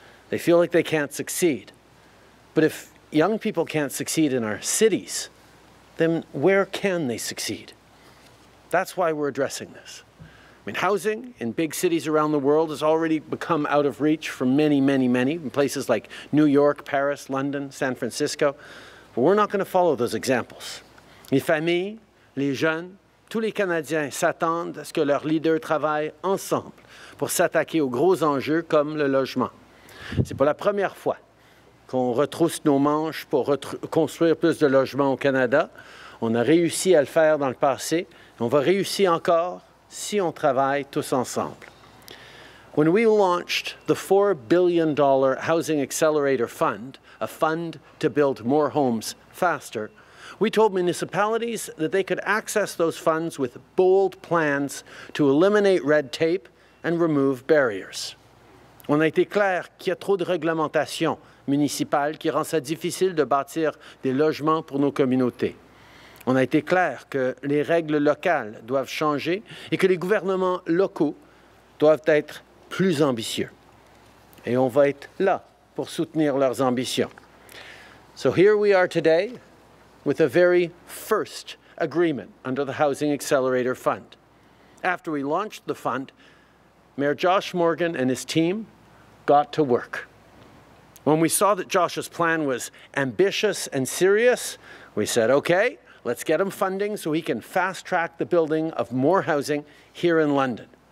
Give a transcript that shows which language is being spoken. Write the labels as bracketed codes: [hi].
[en] They feel like they can't succeed. But if young people can't succeed in our cities, then where can they succeed? That's why we're addressing this. I mean, housing in big cities around the world has already become out of reach for many, many, many, in places like New York, Paris, London, San Francisco. But we're not going to follow those examples. [fr] Les familles, les jeunes, tous les Canadiens s'attendent à ce que leurs leaders travaillent ensemble pour s'attaquer aux gros enjeux comme le logement. C'est pas la première fois qu'on retrousse nos manches pour construire plus de logements au Canada. On a réussi à le faire dans le passé. On va réussir encore si on travaille tous ensemble. [en] When we launched the $4 billion Housing Accelerator Fund, a fund to build more homes faster, we told municipalities that they could access those funds with bold plans to eliminate red tape and remove barriers. [fr] On a été clair qu'il y a trop de réglementation municipale qui rend ça difficile de bâtir des logements pour nos communautés. On a été clair que les règles locales doivent changer et que les gouvernements locaux doivent être plus ambitieux. Et on va être là pour soutenir leurs ambitions. [en] So here we are today with a very first agreement under the Housing Accelerator Fund. After we launched the fund, Mayor Josh Morgan and his team got to work. When we saw that Josh's plan was ambitious and serious, we said, okay, let's get him funding so he can fast-track the building of more housing here in London.